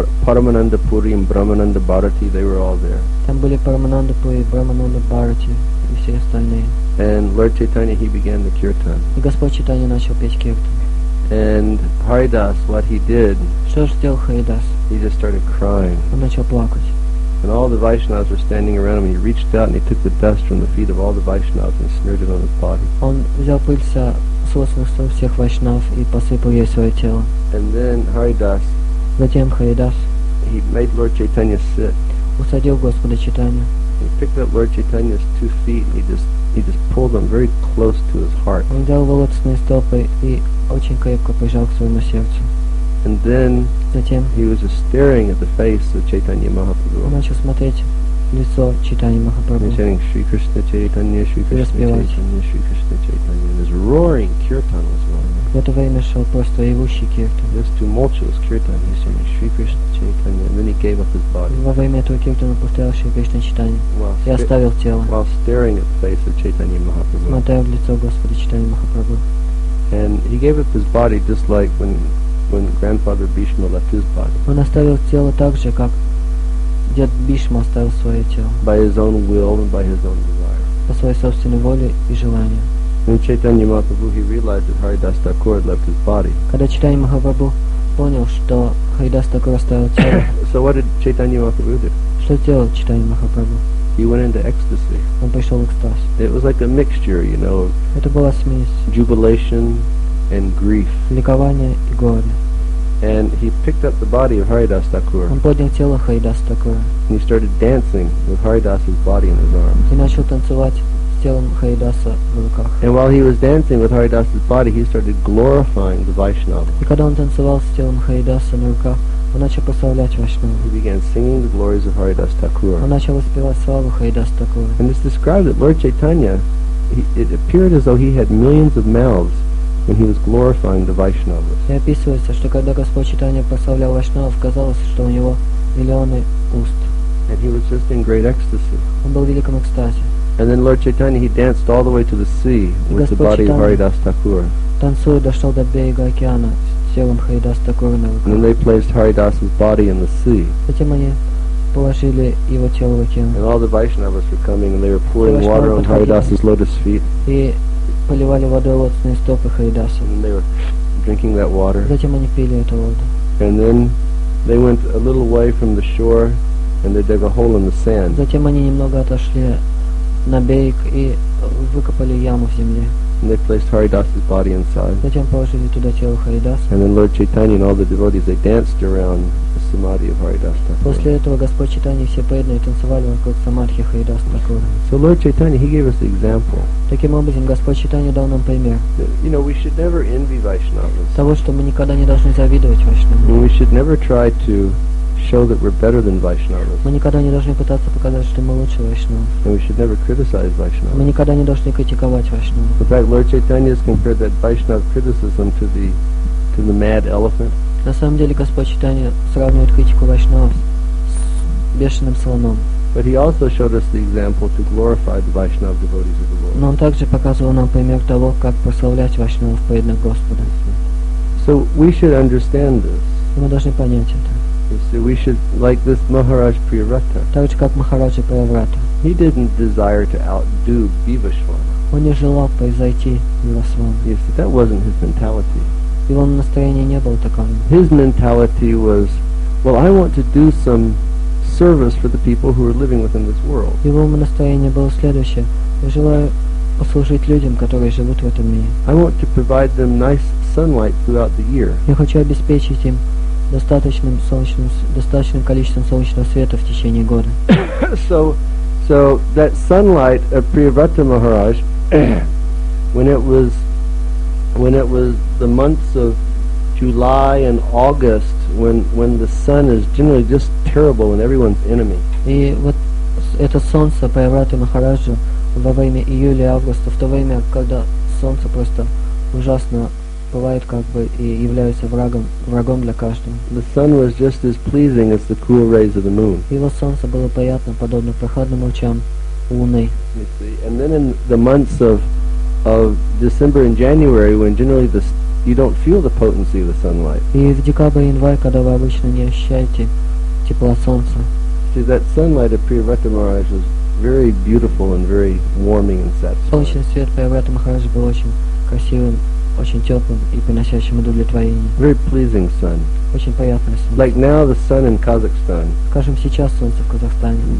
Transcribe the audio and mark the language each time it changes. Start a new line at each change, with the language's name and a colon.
English: Paramananda Puri and Brahmananda Bharati, they were all there.
Russian: Там были Парамананда Пури, Брамананда Бхарати и все остальные.
English: And Lord Chaitanya, he began the kirtan.
Russian: И Господь Чайтанья начал петь киртан.
English: And Haridas, what he did?
Russian: Что же сделал Харидас?
English: He just started crying.
Russian: Он начал плакать.
English: And all the Vaishnavas were standing around him. He reached out and he took the dust from the feet of all the Vaishnavas and smeared it on his body.
Russian: Он взял пыль со всех Вайшнав и посыпал ей свое тело.
English: And then Haridas.
Russian: Затем Харидас.
English: He made Lord Chaitanya sit.
Russian: Усадил Господа Чайтанью.
English: He picked up Lord Chaitanya's two feet and he just pulled them very close to his heart.
Russian: Он взял его лотосные стопы и очень крепко прижал к своему сердцу.
English: And then
Russian: затем
English: he was just staring at the face of Chaitanya Mahaprabhu.
Russian: Он начал смотреть лицо Чайтанья Махапрабху.
English: He's saying, Shri Krishna Chaitanya, Shri Krishna Chaitanya, Shri Krishna Chaitanya. And his roaring kirtan was going.
Russian: В это время шел просто ревущий киртан.
English: This tumultuous kirtan, he's saying, Shri Krishna Chaitanya. And then he gave up his body.
Russian: Во время этого киртана повторял Шри Кришна Чайтанья. И оставил тело.
English: While staring at the face of Chaitanya Mahaprabhu.
Russian: Смотрел в лицо Господа Чайтанья Махапрабху.
English: And he gave up his body just like when grandfather Bhishma left his body.
Russian: Он оставил тело так же, как дед Бишма оставил свое тело.
English: By his own will and by his own desire.
Russian: По своей собственной воле и желанию.
English: When Chaitanya Mahaprabhu he realized that Haridas Thakur had left his body.
Russian: Когда Чайтанья Махапрабху понял, что Харидас Такур оставил тело.
English: So what did Chaitanya Mahaprabhu do?
Russian: Что сделал Чайтанья Махапрабху?
English: He went into ecstasy.
Russian: Он пришел в экстаз.
English: It was like a mixture, you know.
Russian: Это была смесь.
English: Jubilation and grief.
Russian: Ликование и горе.
English: And he picked up the body of Haridas Thakur.
Russian: Он поднял тело Харидаса Такура.
English: And he started dancing with Haridas's body in his arms.
Russian: И начал танцевать с телом Харидаса в руках.
English: And while he was dancing with Haridas's body, he started glorifying the Vaishnava.
Russian: И когда он танцевал с телом Харидаса на руках, он начал прославлять Вайшнава.
English: He began singing the glories of Haridas Thakur.
Russian: Он начал воспевать славу Харидаса Такура.
English: And it's described that Lord Chaitanya, it appeared as though he had millions of mouths. When he was glorifying the Vaishnavas.
Russian: И описывается, что когда Господь Чайтанья прославлял Вайшнавов, казалось, что у него миллионы уст.
English: And he was just in great ecstasy.
Russian: Он был в великом экстазе.
English: And then Lord Chaitanya he danced all the way to the sea with the body of Haridas Thakur.
Russian: Танцуя дошел до берега океана с телом Харидаса Такура на руках.
English: And then they placed Haridas's body in the sea.
Russian: Затем они положили его тело в океан.
English: And all the Vaishnavas were coming and they were pouring water on Haridas's lotus feet.
Russian: Поливали водой лотосные стопы Харидаса.
English: And they were drinking that water.
Russian: Затем они пили эту воду.
English: And then they went a little way from the shore and they dug a hole in the sand.
Russian: Затем они немного отошли на берег и выкопали яму в земле.
English: And they placed Haridas's body inside.
Russian: Затем положили туда тело Харидаса.
English: And then Lord Chaitanya and all the devotees they danced around the samadhi of Haridas Thakura.
Russian: После этого Господь Чайтанья и все преданные танцевали вокруг самадхи Харидаса Такура.
English: So Lord Chaitanya he gave us the example.
Russian: Таким образом Господь Чайтанья дал нам пример.
English: You know, we should never envy Vaishnavas.
Russian: Того, что мы никогда не должны завидовать Вайшнавам.
English: We should never try to show that we're better than Vaishnavas.
Russian: Мы никогда не должны пытаться показать, что мы лучше Вайшнавов.
English: And we should never criticize Vaishnavas.
Russian: Мы никогда не должны критиковать Вайшнавов.
English: In fact, Lord Chaitanya has compared that Vaishnava criticism to the mad elephant.
Russian: На самом деле Господь Чайтанья сравнивает критику Вайшнавов с бешеным слоном.
English: But he also showed us the example to glorify the Vaishnava devotees of the Lord.
Russian: Но он также показывал нам пример того, как прославлять вайшнавов преданных Господа.
English: So we should understand this.
Russian: Мы должны понять это.
English: So we should, like this Maharaj Priyavrata.
Russian: Так же как Махараджа Приаврата.
English: He didn't desire to outdo Бхивасвана.
Russian: Он не желал произойти Бхивасвана.
English: Yes, that wasn't his mentality.
Russian: Его настроение не было таковым.
English: His mentality was, well, I want to do some service for the people who are living within this world.
Russian: Его настроение было следующее: я желаю послужить людям, которые живут в этом мире.
English: I want to provide them nice sunlight throughout the year.
Russian: Я хочу обеспечить им достаточным количеством солнечного света в течение года.
English: So that sunlight of Priyavrata Maharaj, when it was the months of July and August, when the sun is generally just terrible and everyone's enemy.
Russian: И вот это солнце Приаврата Махараджа во время июля и августа, в то время, когда солнце просто ужасно бывает как бы и является врагом для каждого.
English: The sun was just as pleasing as the cool rays of the moon.
Russian: Его солнце было приятно, подобно прохладным лучам луны.
English: And then in the months of December and January, when generally you don't feel the potency of the sunlight.
Russian: И в декабре и январь, когда вы обычно не ощущаете тепла солнца.
English: See, that sunlight of Priyavrata Maharaj was very beautiful and very warming and satisfying.
Russian: Солнечный свет Приаврата Махараджа был очень красивым, очень теплым и приносящим удовлетворение.
English: Very pleasing sun.
Russian: Очень приятное солнце.
English: Like now the sun in Kazakhstan.
Russian: Скажем, сейчас солнце в Казахстане.